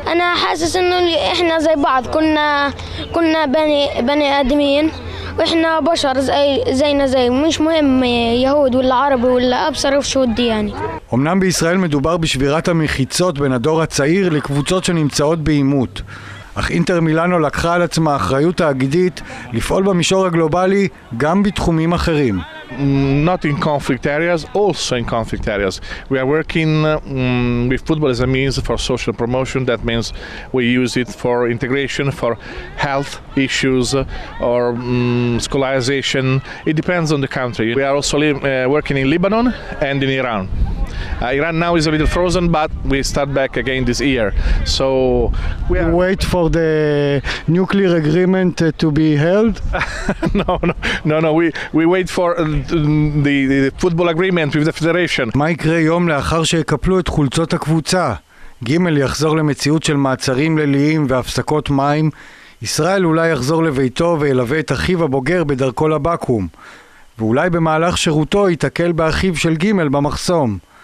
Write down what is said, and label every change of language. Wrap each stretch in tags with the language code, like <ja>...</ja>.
<ar>انا حاسس انه احنا زي بعض كنا بني ادمين واحنا بشر زينا زي مش مهم يهود ولا عربي ولا ابصر وش ودي يعني. امنام باسرائيل مدوبر بشبيرات المخيصات بين الدور الصغير لكبوصات شنمصاوت بييموت.</ar> <he>אך אינטר מילאנו לקחה על עצמה אחריות תאגידית לפעול במישור הגלובלי גם בתחומים אחרים.</he> <en>Not in conflict areas, also in conflict areas. We are working with football as a means for social promotion. That means we use it for integration, for health issues, or scholarization. It depends on the country. We are also working in Lebanon and in Iran. Iran now is a little frozen, but we start back again this year. So we are... wait for the nuclear agreement to be held. No. We wait for the football agreement with the federation.</en> <he>מה יקרה יום לאחר שיקפלו את חולצות הקבוצה? ג' יחזור למציאות של מעצרים ליליים והפסקות מים. ישראל אולי יחזור לביתו וילווה את אחיו הבוגר בדרכו לבקום. ואולי במהלך שירותו יתקל באחיו של ג' במחסום.</he>